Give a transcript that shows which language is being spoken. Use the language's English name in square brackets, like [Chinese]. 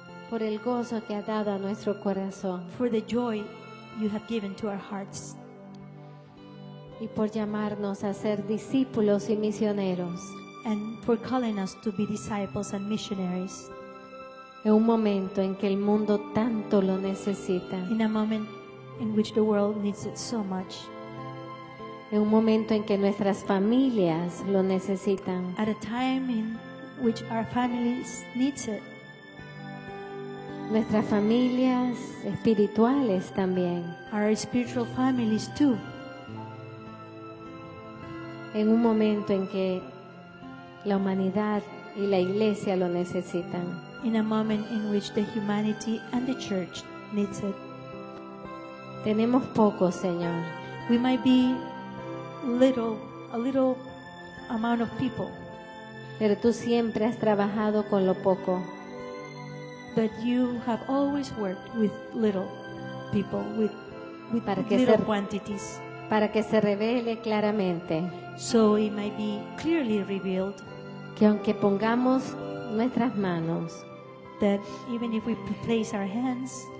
[Spanish] Por el gozo que ha dado a nuestro corazón. [English] For the joy you have given to our hearts. [Spanish] Y por llamarnos a ser discípulos y misioneros. [English] And for calling us to be disciples and missionaries. [Spanish] En un momento en que el mundo tanto lo necesita. [English] In a moment in which the world needs it so much. [Spanish] En un momento en que nuestras familias lo necesitan. [English] At a time in which our families need it. [Spanish] Nuestras familias espirituales también. [English] Our spiritual families too. [Spanish] En un momento en que la humanidad y la iglesia lo necesitan. [English] In a moment in which the humanity and the church needs it. [Spanish] Tenemos poco, Señor. [English] We might be little, a little amount of people. [Spanish] Pero tú siempre has trabajado con lo poco. [English] But you have always worked with little people, with [Spanish] para que [English] little [Spanish] se, [English] quantities. [Spanish] Para que se revele claramente. [English] So it might be clearly revealed [Spanish] que aunque pongamos nuestras manos [English] that even if we place our hands,